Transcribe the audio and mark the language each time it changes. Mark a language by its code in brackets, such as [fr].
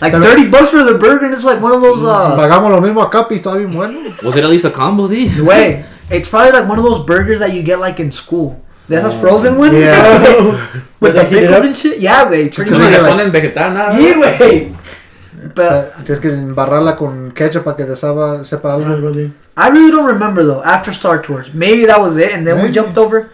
[en] Like, $30 for the burger, and it's like one of those... [es] Pagamos lo mismo acá, y está bien bueno. [en] Was it at least a combo, D? Wait. It's probably like one of those burgers that you get like in school. That's a frozen one? Yeah. With the pickles and shit? Yeah, güey. [es] Pretty much. Ponen vegetal, nada. [en] Yeah, güey. But. [es] Tienes que embarrarla con ketchup para que te sepa algo. [en] I really don't remember, though. After Star Tours. Maybe that was it, and then we jumped over.